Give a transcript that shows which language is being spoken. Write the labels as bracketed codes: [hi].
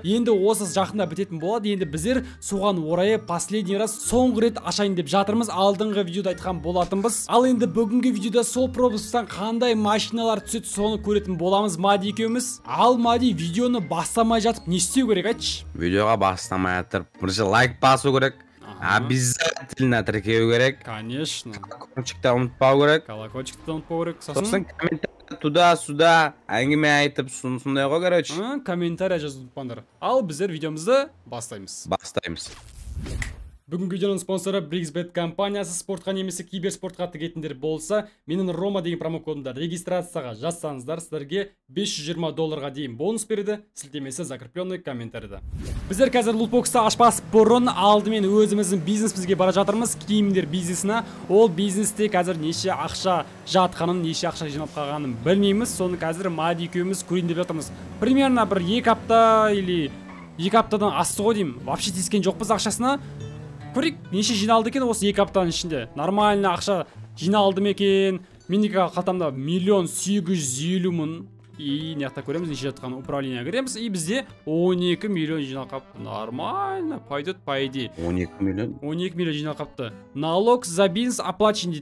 [kk] Енді осы жақында бітетін болады, енді біздер соған орайы [ru] последний раз [kk] соңғы рет ашайын деп жатырмыз. Алдыңғы видеода айтқан болатынбыз. Ал енді бүгінгі видеода сол пропусктан қандай машиналар түсіп соны көретін боламыз Мади екеуміз. Ал Мади, видеоны бастамай жатып не істеу керек, айтшы? Видеоға бастамай жатып бірінші лайк басу керек. Обязательно тіркеу керек. [ru] Конечно. [kk] Колокольчикті ұмытпау керек. Колокольчикті ұмытпау керек. Сосын комментарий [ru] туда сюда [kk] әңгіме айтып сұнсындай ғой, [ru] короче. [kk] Комментария жазып тұрыңдар. Ал біздер видеомызды бастаймыз. Бастаймыз. Бүгінгі видеоның спонсоры BricsBet компаниясы. Спортқа немесе киберспортқа тігетіндер болса, менің Рома деген промокодымды регистрацияға жазсаңыздар, сіздерге $520 дейін бонус береді. Сілтемесі [ru] закрепленный [kk] комментарийда. Біздер қазір лутбоксты ашпас бұрын алдымен өзіміздің бизнесімізге бара жатырмыз, киімдер бизнесіне. Ол бизнесте қазір неше ақша жатқанын, неше ақша жинап қалғанын білмейміз. Соны қазір Мади екеуміз көрейін деп жатырмыз. [ru] Примерно [kk] бір екі апта [ru] или [kk] екі аптадан асты ғой деймін, [ru] вообще [kk] тескен жоқпыз ақшасына. Көрейік, неше жиналды екен осы екі аптаның ішінде. [ru] Нормально [kk] ақша жиналды ма екен? Менің қалтамда 1,850,000. [ru] И [kk] неқта көреміз, неше жатқан управлениеге кіреміз. [ru] И [kk] бізде 12 миллион жинал қапты. [ru] Нормально, пойдет пойди. [kk] 12 миллион? 12 миллион жинал қапты. [ru] Налог за бизнес оплачивание.